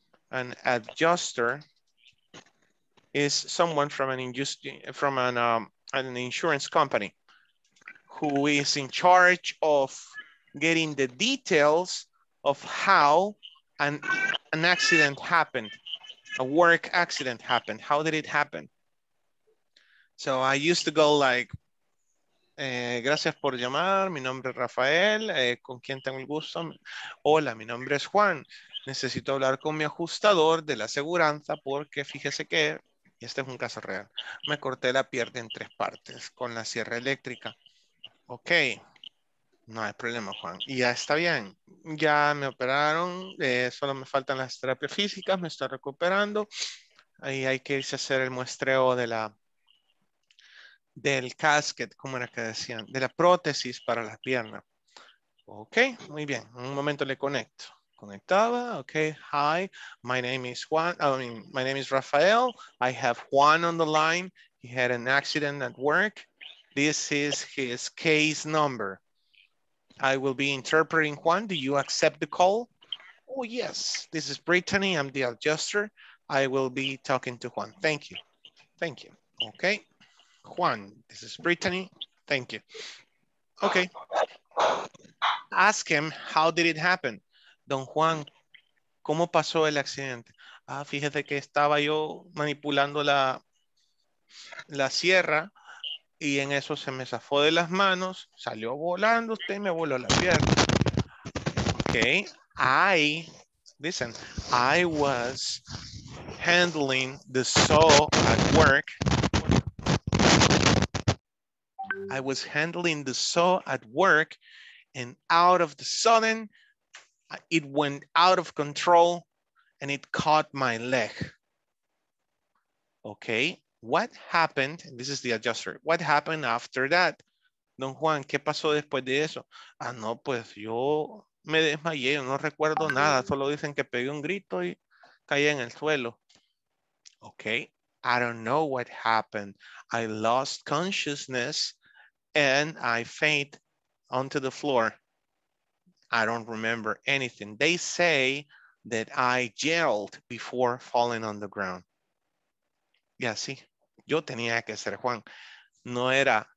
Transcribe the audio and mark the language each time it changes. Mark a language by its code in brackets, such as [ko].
[en] An adjuster is someone from an insurance company who is in charge of getting the details of how an accident happened, a work accident happened. How did it happen? So I used to go like, [es] gracias por llamar, mi nombre es Rafael, con quien tengo el gusto. Hola, mi nombre es Juan. Necesito hablar con mi ajustador de la aseguranza porque fíjese que, y este es un caso real, me corté la pierna en tres partes con la sierra eléctrica. Ok, no hay problema, Juan. Y ya está bien, ya me operaron, solo me faltan las terapias físicas, me estoy recuperando. Ahí hay que irse a hacer el muestreo de la, del casquet, como era que decían, de la prótesis para la pierna. Ok, muy bien, en un momento le conecto. Conectaba, [en] okay, hi, my name is Juan, my name is Rafael, I have Juan on the line, he had an accident at work, this is his case number, I will be interpreting Juan, do you accept the call? Oh yes, this is Brittany, I'm the adjuster, I will be talking to Juan, thank you, okay, Juan, this is Brittany, thank you, okay, ask him how did it happen? [es] Don Juan, ¿cómo pasó el accidente? Ah, fíjese que estaba yo manipulando la sierra y en eso se me zafó de las manos, salió volando usted y me voló la pierna. [en] Okay, I was handling the saw at work. I was handling the saw at work and out of the sudden, it went out of control and it caught my leg. Okay, what happened? This is the adjuster. What happened after that? [es] Don Juan, ¿qué pasó después de eso? Ah, no, pues yo me desmayé, no recuerdo nada. Solo dicen que pegué un grito y caí en el suelo. [en] Okay, I don't know what happened. I lost consciousness and I fainted onto the floor. I don't remember anything. They say that I yelled before falling on the ground. Yeah, [es] sí. Yo tenía que ser Juan. No era.